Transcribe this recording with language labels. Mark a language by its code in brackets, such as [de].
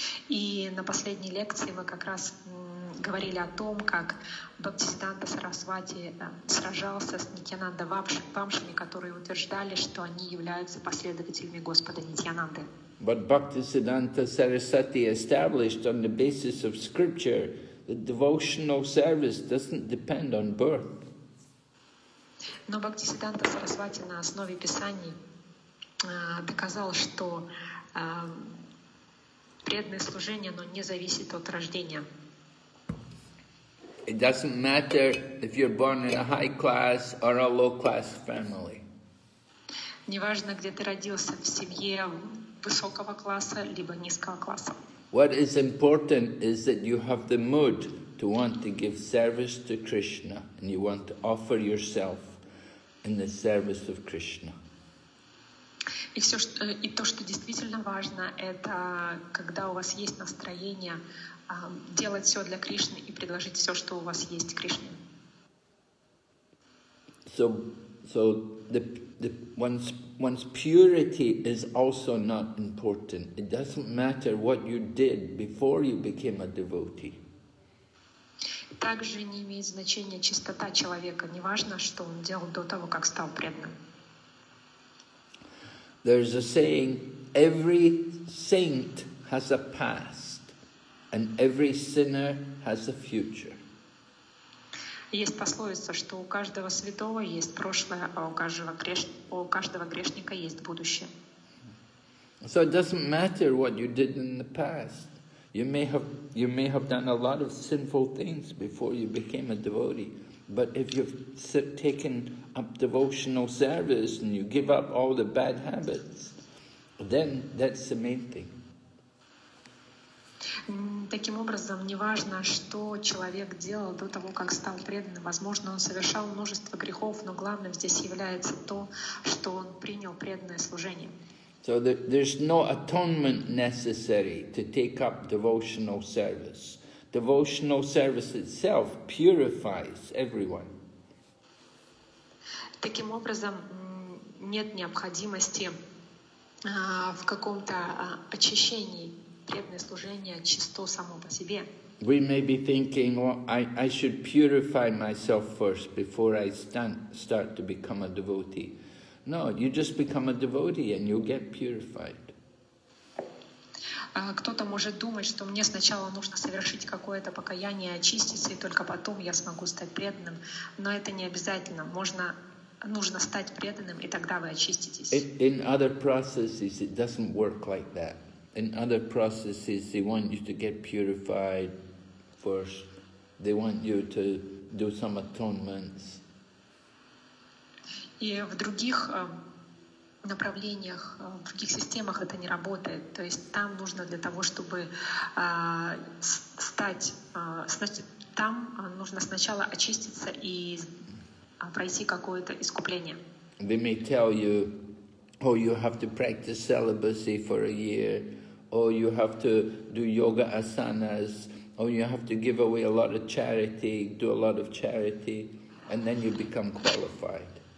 [ru] И на последней лекции мы как раз говорили о том, как Бхактисиддханта Сарасвати сражался с Нитьянанда Вамшами, которые утверждали, что они являются последователями Господа Нитьянанды. [en] But Bhaktisiddhanta Sarasvati established on the basis of scripture that devotional service doesn't depend on birth. [ru] Но Бхактисиддханта Сарасвати на основе писаний доказал, что преданное служение, оно не зависит от рождения. [en] It doesn't matter if you're born in a high class or a low class family. [ru] Неважно, где ты родился, в семье высокого класса либо низкого класса. [en] What is important is that you have the mood to want to give service to Krishna and you want to offer yourself in the service of Krishna. [ru] И все, что, и то, что действительно важно, это когда у вас есть настроение делать все для Кришны и предложить все, что у вас есть Кришне. [en] So one's purity is also not important. It doesn't matter what you did before you became a devotee. [ru] Также не имеет значения чистота человека. Не важно, что он делал до того, как стал преданным. [en] There's a saying, every saint has a past, and every sinner has a future. [ru] Есть пословица, что у каждого святого есть прошлое, а у каждого грешника есть будущее. [en] So it doesn't matter what you did in the past. You may have done a lot of sinful things before you became a devotee. But if you've taken up devotional service and you give up all the bad habits, then that's the main thing. [ru] Таким образом, неважно, что человек делал до того, как стал преданным. Возможно, он совершал множество грехов, но главным здесь является то, что принял преданное служение. [en] So there's no atonement necessary to take up devotional service. Devotional service itself purifies everyone. [ru] Таким образом, нет необходимости в каком-то очищении. Преданное служение чисто само по себе. [en] We may be thinking, well, I should purify myself first before I start to become a devotee. No, you just become a devotee and you'll get purified. [ru] Кто-то может думать, что мне сначала нужно совершить какое-то покаяние, очиститься, и только потом я смогу стать преданным. Но это не обязательно. Нужно стать преданным, и тогда вы очиститесь. [en] In other processes, it doesn't work like that. In other processes, they want you to get purified first. They want you to do some atonements. [ru] И в других направлениях, в других системах это не работает. То есть там нужно для того, чтобы там нужно сначала очиститься и пройти какое-то искупление. [en] They may tell you, oh, you have to practice celibacy for a year, or you have to do yoga asanas, or you have to give away a lot of charity, do a lot of charity, and then you become qualified.